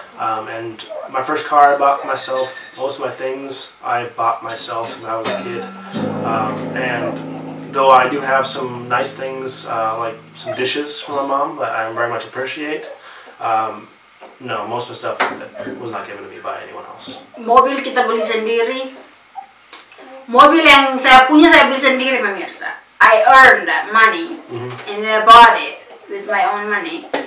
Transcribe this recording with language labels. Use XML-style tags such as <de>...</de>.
<en>And my first car I bought myself, most of my things I bought myself when I was a kid. And though I do have some nice things, like some dishes from my mom that I very much appreciate, no, most of the stuff that was not given to me by anyone else.</en> <id>Mobil kita beli sendiri. Mobil yang saya punya saya beli sendiri, pemirsa.</id> <en>I earned that money, mm-hmm. And I bought it with my own money.</en>